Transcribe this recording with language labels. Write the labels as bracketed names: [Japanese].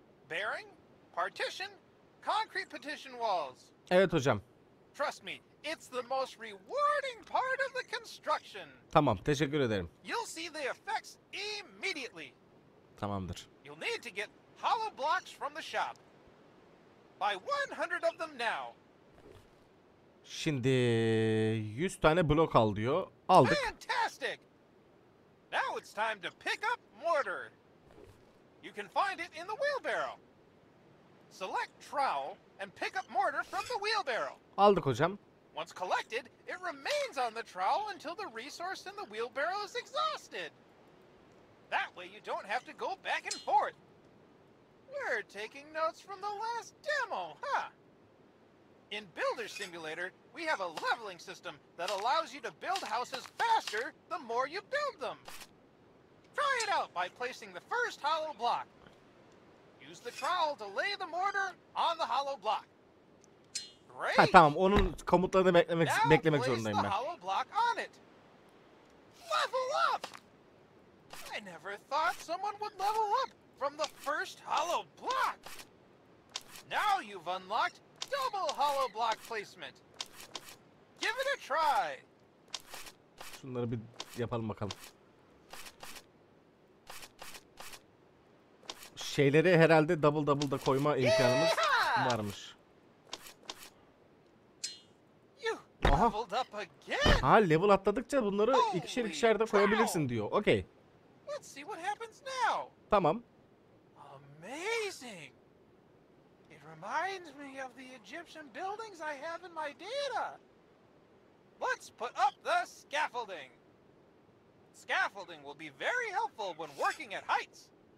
[English] Bearing, partition, concrete partition walls. [Turkish] Evet hocam. [English] Trust me, it's the most rewarding part of the construction. [Turkish] Tamam, teşekkür ederim. [English] You'll see the effects immediately. [Turkish] Tamamdır. [English] You'll need to get hollow blocks from the shop. Buy 100 of them now. [Turkish] Şimdi 100 tane blok al diyor. Aldık. [English] Fantastic. Now it's time to pick up mortar. You can find it in the wheelbarrow. Select trowel and pick up mortar from the wheelbarrow. [Turkish] Aldık hocam. [English] Once collected, it remains on the trowel until the resource in the wheelbarrow is exhausted. That way you don't have to go back and forth. You're taking notes from the last demo, huh? In Builder Simulator, we have a leveling system that allows you to build houses faster the more you build them. Try it out by placing the first hollow block. You use the trowel to lay the mortar on the hollow block. Great. [Turkish] Ha, tamam, onun komutlarını beklemek zorundayım ben. [English] Now place the hollow block on it. Level up! I never thought someone would level up from the first hollow block. Now you've unlocked double hollow block placement. Give it a try. [Turkish] Şunları bir yapalım bakalım. Şeyleri herhalde [English] double double [Turkish] da koyma imkanımız varmış. Aha. Ha, level atladıkça bunları ikişer ikişer de koyabilirsin diyor. [English] Okay. Let's see what happens now. [Turkish] Tamam. [English] Amazing. It reminds me of the Egyptian buildings I have in my data. Let's put up the scaffolding. Scaffolding will be very helpful when working at heights.